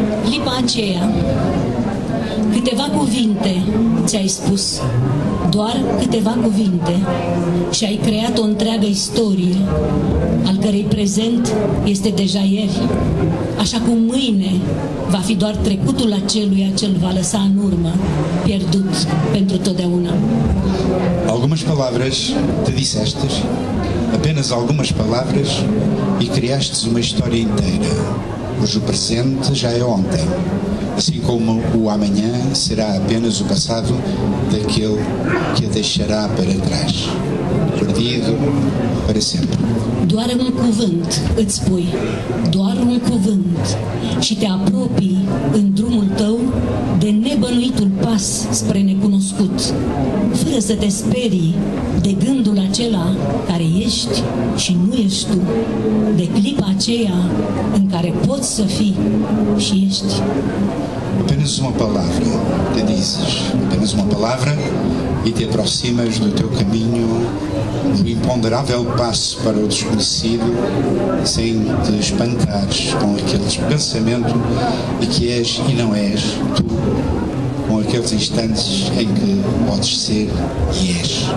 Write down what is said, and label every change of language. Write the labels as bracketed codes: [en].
[ro] Lipa aceea, câteva cuvinte ți-ai spus, doar câteva cuvinte, și ai creat o întreagă istorie, al cărei prezent este deja ieri, așa cum mâine va fi doar trecutul aceluia ce îl va lăsa în urmă, pierdut pentru totdeauna. [pt] Algumas palavras te disseste, apenas algumas palavras, e criaste uma história inteira, cujo presente já é ontem, assim como o amanhã será apenas o passado daquele que a deixará para trás, perdido para sempre. [ro] Doar um cuvânt, îți spui, doar um cuvânt, și te apropii în drumul tău de nebănuitul pas. pas spre necunoscut, fără să te sperii de gândul acela care ești și nu ești tu, de clipa aceea în care poți să fii și ești. [pt] Apenas uma palavra te dizes, apenas uma palavra e te aproximas do teu caminho, do imponderável passo para o desconhecido, sem te espantares com aquele pensamento de que és e não és tu, com aqueles instantes em que podes ser e és.